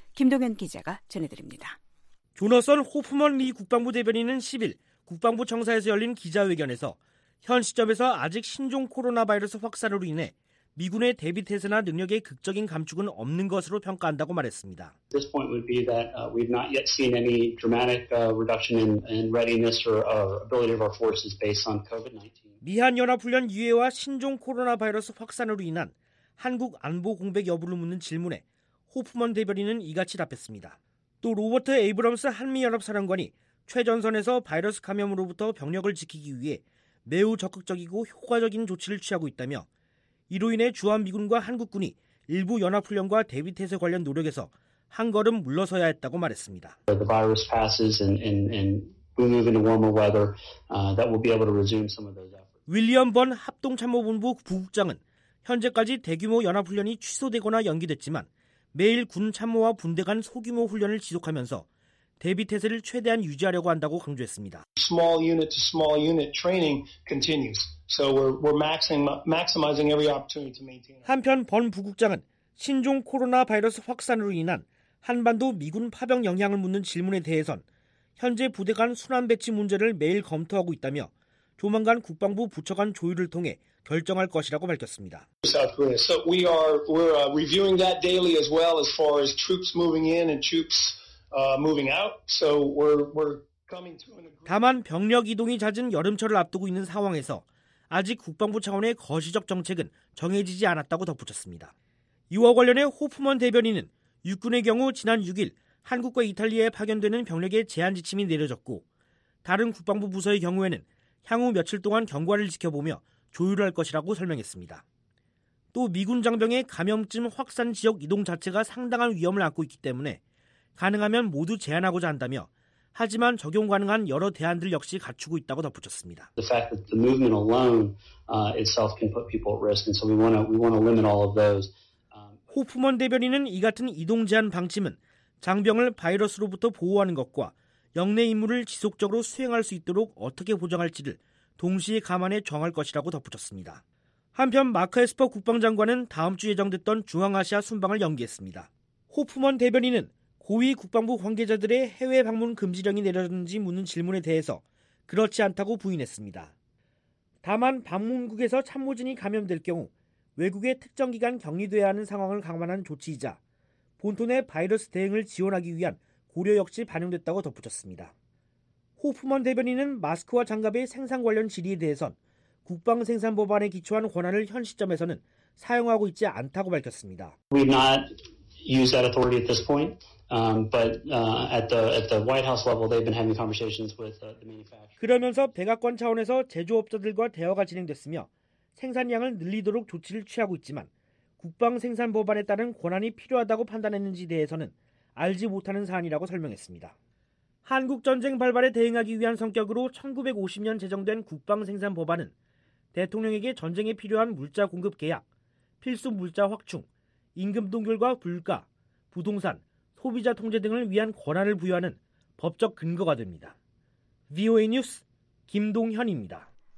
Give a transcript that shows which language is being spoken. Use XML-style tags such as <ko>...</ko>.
<ko>김동현 기자가 전해드립니다. 조너선 호프먼 미 국방부 대변인은 10일 국방부 청사에서 열린 기자회견에서 현 시점에서 아직 신종 코로나 바이러스 확산으로 인해 미군의 대비 태세나 능력의 극적인 감축은 없는 것으로 평가한다고 말했습니다.</ko> <en>This point would be that we've not yet seen any dramatic reduction in readiness or ability of our forces based on COVID-19.</en> <ko>미한연합훈련 유예와 신종 코로나 바이러스 확산으로 인한 한국 안보 공백 여부를 묻는 질문에 호프먼 대변인은 이같이 답했습니다. 또 로버트 에이브럼스 한미연합사령관이 최전선에서 바이러스 감염으로부터 병력을 지키기 위해 매우 적극적이고 효과적인 조치를 취하고 있다며 이로 인해 주한미군과 한국군이 일부 연합훈련과 대비태세 관련 노력에서 한 걸음 물러서야 했다고 말했습니다.</ko> <en>The virus passes and we move into warmer weather, that will be able to resume some of those efforts.</en> <ko>윌리엄 번 합동참모본부 부국장은 현재까지 대규모 연합훈련이 취소되거나 연기됐지만 매일 군참모와 분대 간 소규모 훈련을 지속하면서 대비태세를 최대한 유지하려고 한다고 강조했습니다.</ko> <en>Small unit to small unit training continues. So we're maximizing every opportunity to maintain.</en> <ko>한편 번 부국장은 신종 코로나 바이러스 확산으로 인한 한반도 미군 파병 영향을 묻는 질문에 대해선 현재 부대 간 순환 배치 문제를 매일 검토하고 있다며 조만간 국방부 부처 간 조율을 통해 결정할 것이라고 밝혔습니다.</ko> <en>South Korea. So we're reviewing that daily as well as far as troops moving in and troops moving out. So we're coming to an agreement.</en> <ko>다만 병력 이동이 잦은 여름철을 앞두고 있는 상황에서 아직 국방부 차원의 거시적 정책은 정해지지 않았다고 덧붙였습니다. 이와 관련해 호프먼 대변인은 육군의 경우 지난 6일 한국과 이탈리아에 파견되는 병력의 제한 지침이 내려졌고 다른 국방부 부서의 경우에는 향후 며칠 동안 경과를 지켜보며 조율할 것이라고 설명했습니다. 또 미군 장병의 감염증 확산 지역 이동 자체가 상당한 위험을 안고 있기 때문에 가능하면 모두 제한하고자 한다며 하지만 적용 가능한 여러 대안들 역시 갖추고 있다고 덧붙였습니다.</ko> <en>The fact that the movement alone itself can put people at risk, and so we want to limit all of those.</en> <ko>호프먼 대변인은 이 같은 이동 제한 방침은 장병을 바이러스로부터 보호하는 것과 역내 임무를 지속적으로 수행할 수 있도록 어떻게 보장할지를 동시에 감안해 정할 것이라고 덧붙였습니다. 한편 마크 에스퍼 국방장관은 다음 주 예정됐던 중앙아시아 순방을 연기했습니다. 호프먼 대변인은 고위 국방부 관계자들의 해외 방문 금지령이 내려졌는지 묻는 질문에 대해서 그렇지 않다고 부인했습니다. 다만 방문국에서 참모진이 감염될 경우 외국에 특정 기간 격리돼야 하는 상황을 감안한 조치이자 본토 내 바이러스 대응을 지원하기 위한 고려 역시 반영됐다고 덧붙였습니다. 호프먼 대변인은 마스크와 장갑의 생산 관련 질의에 대해선 국방생산법안에 기초한 권한을 현 시점에서는 사용하고 있지 않다고 밝혔습니다.</ko> <en>We've not used that authority at this point. But at the White House level, they've been having conversations with the manufacturers.</en> <ko>그러면서 백악관 차원에서 제조업자들과 대화가 진행됐으며 생산량을 늘리도록 조치를 취하고 있지만 국방 생산 법안에 따른 권한이 필요하다고 판단했는지 대해서는 알지 못하는 사안이라고 설명했습니다. 한국 전쟁 발발에 대응하기 위한 성격으로 1950년 제정된 국방 생산 법안은 대통령에게 전쟁에 필요한 물자 공급 계약, 필수 물자 확충, 임금 동결과 물가, 부동산 소비자 통제 등을 위한 권한을 부여하는 법적 근거가 됩니다. VOA 뉴스 김동현입니다.</ko>